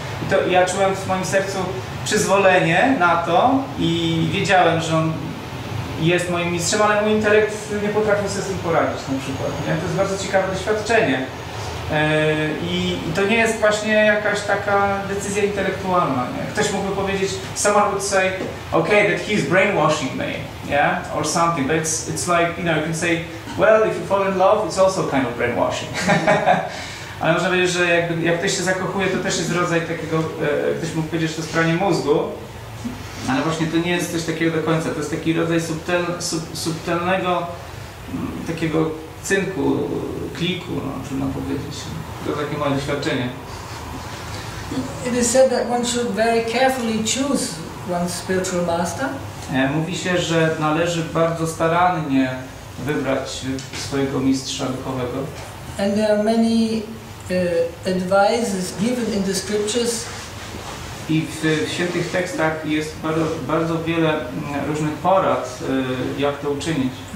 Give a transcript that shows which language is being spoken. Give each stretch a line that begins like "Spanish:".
Polish: I to ja czułem w moim sercu przyzwolenie na to i wiedziałem, że on jest moim mistrzem, ale mój intelekt nie potrafił sobie z tym poradzić na przykład, nie? To jest bardzo ciekawe doświadczenie. I to nie jest właśnie jakaś taka decyzja intelektualna, nie? Ktoś mógłby powiedzieć,
English: someone would say, okay, that he's brainwashing me, yeah, or something, but it's like, you know, you can say, well, if you fall in love, it's also kind of brainwashing.
Polish: Ale można powiedzieć, że jak ktoś się zakochuje, to też jest rodzaj takiego, ktoś mógł powiedzieć, to stronie mózgu, ale właśnie to nie jest coś takiego do końca, to jest taki rodzaj subtelnego takiego cynku, kliku, no, trudno powiedzieć. To takie moje doświadczenie.
English: It is said that one should very carefully choose one's spiritual master.
Polish: Mówi się, że należy bardzo starannie wybrać swojego mistrza duchowego.
English: And there are many advices given in the scriptures.
Polish: I w świętych tekstach jest bardzo, bardzo wiele różnych porad, jak to uczynić.